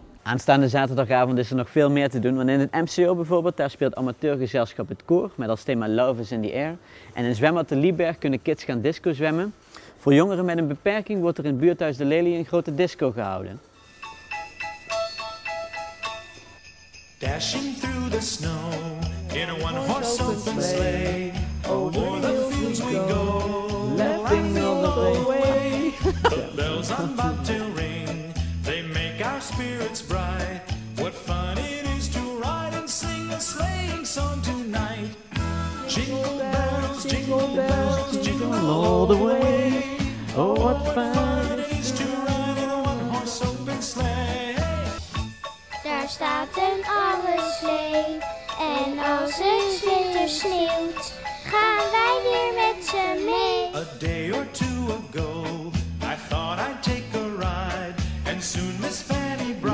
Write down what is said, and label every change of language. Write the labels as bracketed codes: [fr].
[nl] Aanstaande zaterdagavond is er nog veel meer te doen, want in het MCO bijvoorbeeld, daar speelt amateurgezelschap het koor, met als thema Love is in the Air. En in zwembad de Lieberg kunnen kids gaan disco zwemmen. Voor jongeren met een beperking wordt er in buurthuis De Lelie een grote disco gehouden. [en] Dashing through the snow in a one horse open sleigh, over the fields we go, laughing all the way. The bells on bobtail ring, they make our spirits bright. What fun it is to ride and sing a sleighing song tonight. Jingle bells, jingle bells, jingle all the way. Oh, what fun it is to ride in a one horse open sleigh. [nl] Daar staat een oude slee, en als het winter sneeuwt, gaan wij weer met ze mee. [en] A day or two ago, I thought I'd take a ride, and soon Miss Fanny Bride.